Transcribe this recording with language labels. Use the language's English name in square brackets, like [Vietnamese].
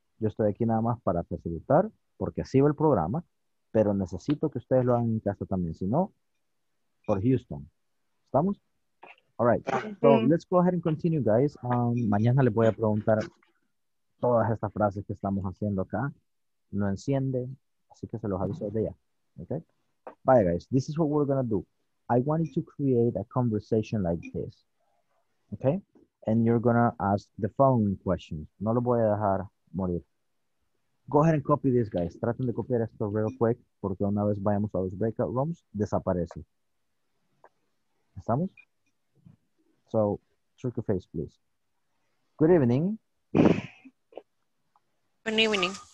[Spanish] Yo estoy aquí nada más para facilitar, porque así va el programa, pero necesito que ustedes lo hagan en casa también. Si no, por Houston. ¿Estamos? [English] All right. So, let's go ahead and continue, guys. [Spanish] Mañana les voy a preguntar todas estas frases que estamos haciendo acá. No enciende, así que se los aviso de ya. [English] Okay? Bye, guys. This is what we're going to do. I want you to create a conversation like this. Okay? And you're going to ask the following questions. [Spanish] No lo voy a dejar morir. [English] Go ahead and copy this, guys. [Spanish] Traten de copiar esto [English] real quick, [Spanish] porque una vez vayamos a los breakout rooms, desaparece. ¿Estamos? [English] So, trick your face, please. Good evening. Good evening.